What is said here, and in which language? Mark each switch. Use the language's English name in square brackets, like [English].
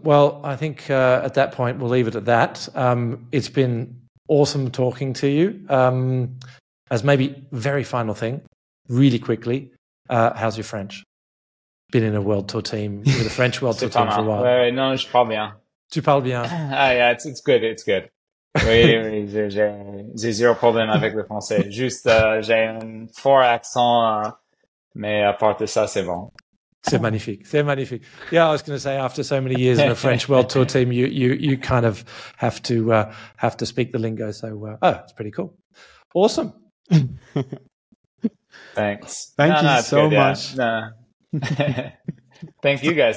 [English] Well, I think at that point, we'll leave it at that. It's been awesome talking to you. As maybe very final thing, really quickly, how's your French? Been in a world tour team with a French world tour team for a while. [French] Non, je parle bien. Tu parles bien. [English] Ah, yeah, it's good. It's good. [French] Oui, j'ai zéro problème avec le français. Juste, j'ai un fort accent, mais à part de ça, c'est bon. C'est magnifique. C'est magnifique. [English] Yeah, I was going to say, after so many years in a French world tour team, you kind of have to speak the lingo. So, it's pretty cool. Awesome. Thanks. Thank you so much. Yeah. Thank you guys.